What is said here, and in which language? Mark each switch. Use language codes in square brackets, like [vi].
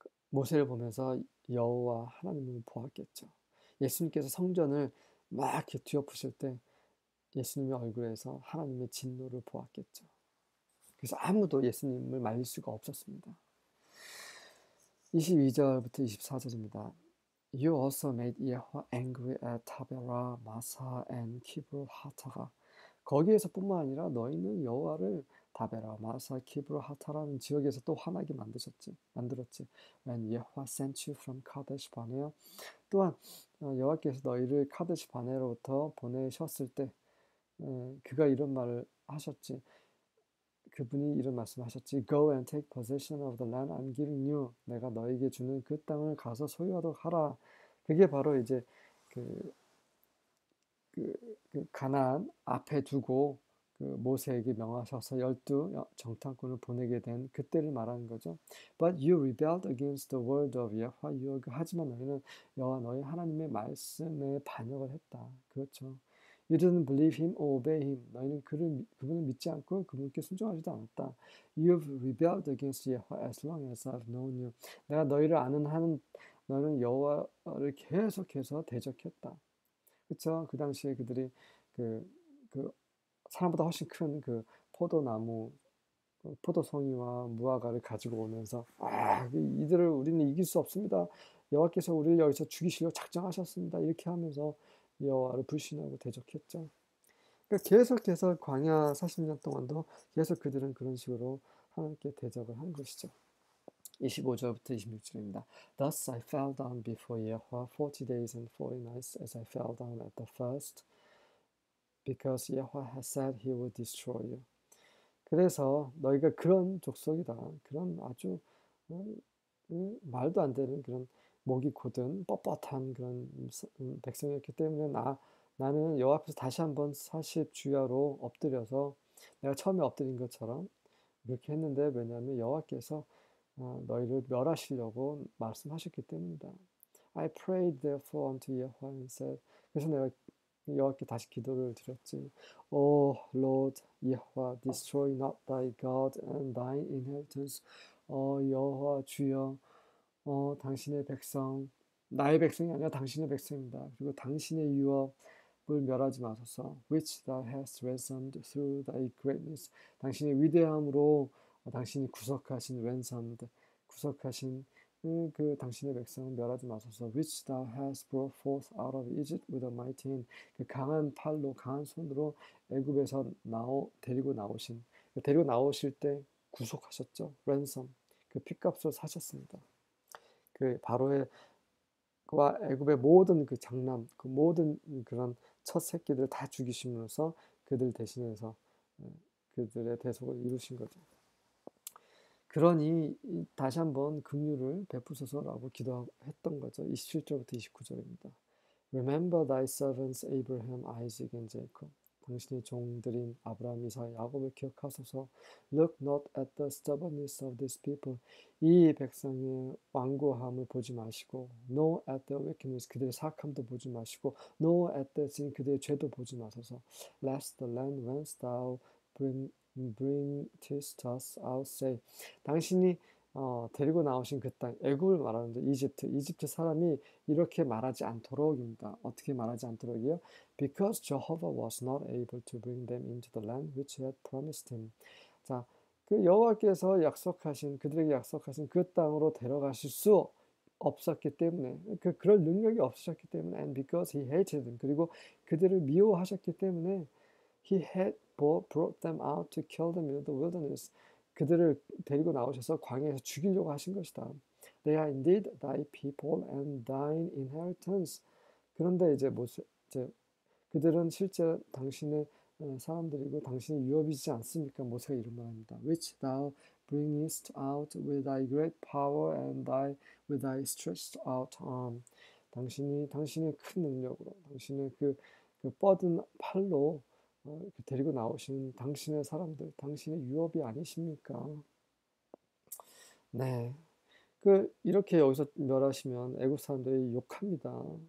[ko] 모세를 보면서 여호와 하나님을 보았겠죠. 예수님께서 성전을 막 이렇게 뒤엎으실 때 예수님의 얼굴에서 하나님의 진노를 보았겠죠. 그래서 아무도 예수님을 말릴 수가 없었습니다. 22절부터 24절입니다. [en] You also made Yahweh angry at Taberah, Massah, and Kibroth Hattaarah. [ko] 거기에서 뿐만 아니라 너희는 여호와를 다베라, 마사, 키브로, 하타라는 지역에서 또 화나게 만들었지. [en] When Yahweh sent you from Kadesh Barnea. [ko] 또한 여호와께서 너희를 카데시 바네로부터 보내셨을 때 그가 이런 말을 하셨지. 그분이 이런 말씀을 하셨지. [en] Go and take possession of the land I'm giving you. [ko] 내가 너에게 주는 그 땅을 가서 소유하도록 하라. 그게 바로 이제 그 가나안 앞에 두고 그 모세에게 명하셔서 열두 정탐꾼을 보내게 된 그때를 말하는 거죠. [en] But you rebelled against the word of Yahweh. [ko] 하지만 너희는 여호와 너희 하나님의 말씀에 반역을 했다. 그렇죠. [en] You didn't believe him or obey him. [ko] 너희는 그분을 믿지 않고 그분께 순종하지도 않았다. [en] You've rebelled against Yahweh as long as I've known you. [ko] 내가 너희를 아는 한 너는 여호와를 계속해서 대적했다. 그렇죠. 그 당시에 그들이 사람보다 훨씬 큰그 포도나무, 포도송이와 무화과를 가지고 오면서 아, 이들을 우리는 이길 수 없습니다. 여호와께서 우리를 여기서 죽이시려고 작정하셨습니다. 이렇게 하면서 여호와를 불신하고 대적했죠. 그러니까 계속해서 광야 40년 동안도 계속 그들은 그런 식으로 하나님께 대적을 한 것이죠. 25절부터 26절입니다. [en] Thus I fell down before Yahweh 40 days and 40 nights as I fell down at the first. Because Yahweh has said he will destroy you. [ko] 그래서 너희가 그런 족속이다. 그런 아주 말도 안 되는 그런 목이 고든 뻣뻣한 그런 백성이었기 때문에 나는 여호와 앞에서 다시 한번 40 주야로 엎드려서 내가 처음에 엎드린 것처럼 이렇게 했는데 왜냐하면 여호와께서 너희를 멸하시려고 말씀하셨기 때문이다. [en] I prayed therefore unto Yahweh and said [ko] 그래서 내가 여호와께 다시 기도를 드렸지. [en] O Lord, Yahweh, destroy not thy God and thine inheritance. [ko] 여호와 주여, 당신의 백성, 나의 백성이 아니라 당신의 백성입니다. 그리고 당신의 유업을 멸하지 마소서. [en] Which thou hast ransomed through thy greatness. [ko] 당신의 위대함으로 당신이 구속하신 ransomed, 구속하신 그 당신의 백성을 멸하지 마소서. [en] Which thou hast brought forth out of Egypt with a mighty hand. [ko] 그 강한 팔로 강한 손으로 애굽에서 데리고 나오신 데리고 나오실 때 구속하셨죠. Ransom 그 피값으로 사셨습니다. 그 바로의 그와 애굽의 모든 그 장남 그 모든 그런 첫 새끼들을 다 죽이심으로써 그들 대신해서 그들의 대속을 이루신 거죠. 그러니 다시 한번 긍휼을 베푸소서라고 기도했던 거죠. 27절부터 29절입니다. [en] Remember thy servants Abraham, Isaac, and Jacob. [ko] 당신의 종들인 아브라함, 이삭, 야곱을 기억하소서. [en] Look not at the stubbornness of these people. [ko] 이 백성의 완고함을 보지 마시고, [en] nor at the wickedness, [ko] 그들의 사악함도 보지 마시고, [en] nor at the sin, [ko] 그들의 죄도 보지 마소서. [en] Lest the land whence thou bring to us, I'll say. [ko] 당신이 데리고 나오신 그 땅, 애굽을 말하는데, 이집트 사람이 이렇게 말하지 않도록입니다. 어떻게 말하지 않도록이요? [en] Because Jehovah was not able to bring them into the land which he had promised him. [ko] 자, 그 여호와께서 약속하신, 그들에게 약속하신 그 땅으로 데려가실 수 없었기 때문에, 그럴 능력이 없으셨기 때문에, [en] and because he hated them, [ko] 그리고 그들을 미워하셨기 때문에, [en] he had brought them out to kill them in the wilderness. [ko] 그들을 데리고 나오셔서 광야에서 죽이려고 하신 것이다. [en] They are indeed thy people and thine inheritance. [ko] 그런데 이제 모세, 이제 그들은 실제 당신의 사람들이고 당신의 유업이지 않습니까? 모세가 이런 말합니다. [en] Which thou bringest out with thy great power and with thy stretched out arm. [ko] 당신의 큰 능력으로, 당신의 그 뻗은 팔로 데리고 나오신 당신의 사람들, 당신의 유업이 아니십니까? 네. 이렇게 여기서 멸하시면 애굽 사람들이 욕합니다.